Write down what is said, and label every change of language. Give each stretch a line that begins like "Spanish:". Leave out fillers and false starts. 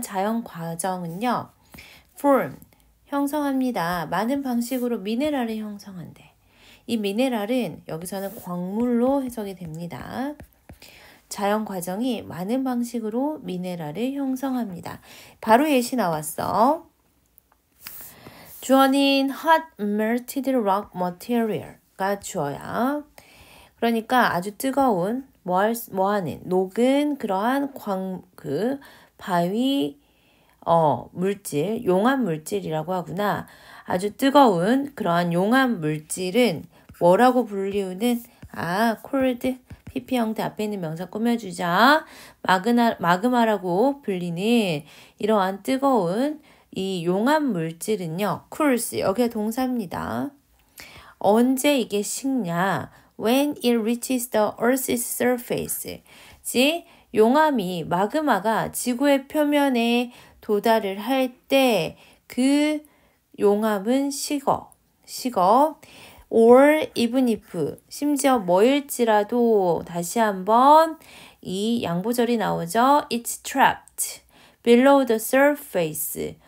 Korean: 자연 과정은요. Form, 형성합니다. 많은 방식으로 미네랄을 형성한대. 이 미네랄은 여기서는 광물로 해석이 됩니다. 자연 과정이 많은 방식으로 미네랄을 형성합니다. 바로 예시 나왔어. 주어는
English: hot melted rock material가 주어야.
Korean: 그러니까 아주 뜨거운 뭐하는 녹은 그러한 바위 물질, 용암 물질이라고 하구나. 아주 뜨거운 그러한 용암 물질은 뭐라고 불리우는? cold, pp 형태 앞에 있는 명사 꾸며주자. 마그마라고 불리는 이러한 뜨거운 이 용암 물질은요, cools, 여기에 동사입니다. 언제 이게 식냐?
English: When it reaches the earth's surface.
Korean: 즉, 용암이, 마그마가 지구의 표면에 도달을 할 때, 그 용암은 식어.
English: Or even if,
Korean: 심지어 뭐일지라도 다시 한번 이 양보절이 나오죠.
English: It's trapped below the surface.